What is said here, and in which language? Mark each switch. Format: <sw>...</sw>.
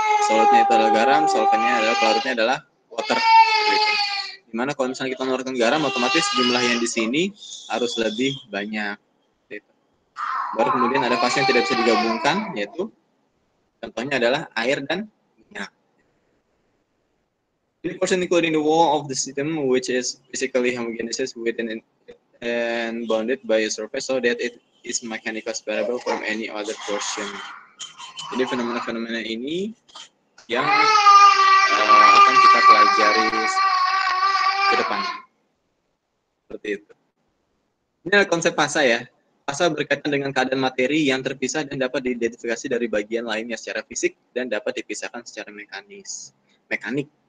<id>Solutnya itu adalah garam, solventnya adalah pelarutnya adalah water. Dimana kalau misalnya kita mengeluarkan garam, otomatis jumlah yang di sini harus lebih banyak. Baru kemudian ada fase yang tidak bisa digabungkan, yaitu contohnya adalah air dan minyak.</id> <en>This portion including the wall of the system, which is basically homogeneous within and bounded by a surface, so that it is mechanically separable from any other portion.</en> <id>Jadi fenomena-fenomena ini yang akan kita pelajari ke depan. Seperti itu. Ini adalah konsep fase ya. Fase berkaitan dengan keadaan materi yang terpisah dan dapat diidentifikasi dari bagian lainnya secara fisik dan dapat dipisahkan secara mekanik.</id>